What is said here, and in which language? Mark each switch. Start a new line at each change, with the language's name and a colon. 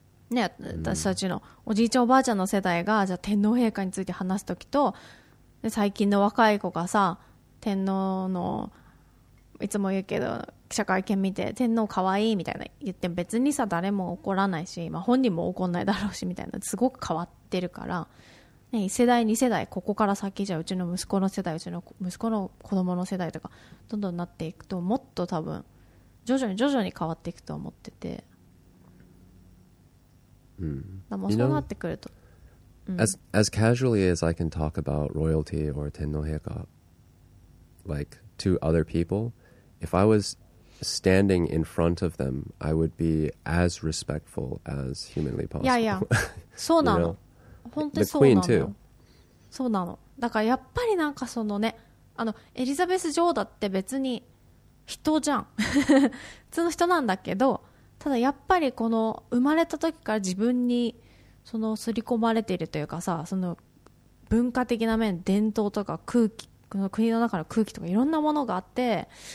Japanese: ね、私たちのおじいちゃんおばあちゃんの世代が、じゃ天皇陛下について話すときと、で最近の若い子がさ、天皇の、いつも言うけど、記者会見見て天皇かわいいみたいな言っても別にさ誰も怒らないし、まあ、本人も怒んないだろうしみたいな、すごく変わってるから、ね、1世代2世代ここから先じゃうちの息子の世代うちの息子の子供の世代とかどんどんなっていくと、もっと多分徐々に変わっていくと思ってて、うん、でもそうなってくると
English: As casually as I can talk about royalty or 天皇陛下 like to other people, if I wasstanding in front of them, I would be as respectful as humanly possible.
Japanese: いやいや、そうなの。本当にそうなの。そうなの。だからやっぱりなんかそのね、あのエリザベス女王だって別に人じゃん。普通の人なんだけど、ただやっぱりこの生まれた時から自分にその刷り込まれているというかさ、その文化的な面、伝統とか空気、この国の中の空気とかいろんなものがあって。